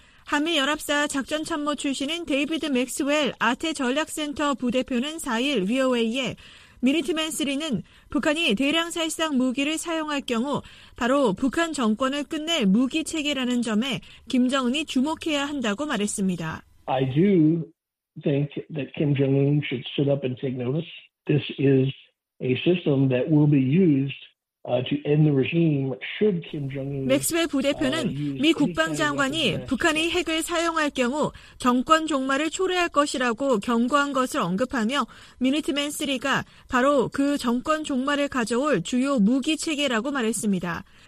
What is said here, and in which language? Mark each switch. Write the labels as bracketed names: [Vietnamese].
[Korean] 한미연합사 작전참모 출신인 데이비드 맥스웰 아태전략센터 부대표는 4일 VOA에 미니트맨 3는 북한이 대량 살상 무기를 사용할 경우 바로 북한 정권을 끝낼 무기체계라는 점에 김정은이 주목해야 한다고 말했습니다. [English] I do think that Kim Jong-un should sit up and take notice. This is a system that will be used. To end the regime, should Kim Jong-un... [Korean] 맥스웰 부대표는 미 국방장관이 북한이 핵을 사용할 경우 정권 종말을 초래할 것이라고 경고한 것을 언급하며 미니트맨 3가 바로 그 정권 종말을 가져올 주요 무기체계라고 말했습니다.